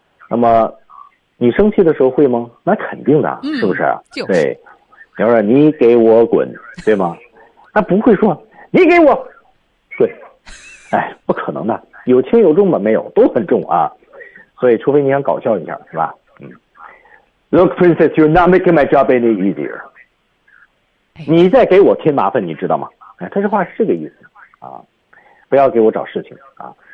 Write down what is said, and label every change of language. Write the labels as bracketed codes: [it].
[zh] 那么你生气的时候会吗？那肯定的，是不是？嗯、就是、对，你要说你给我滚，对吗？那不会说你给我滚，哎，不可能的，有轻有重吧？没有，都很重啊。所以除非你想搞笑一下，是吧？ [en] Look, princess, you're not making my job any easier. [zh] 你在给我添麻烦，你知道吗？哎，他这话是个意思啊，不要给我找事情啊。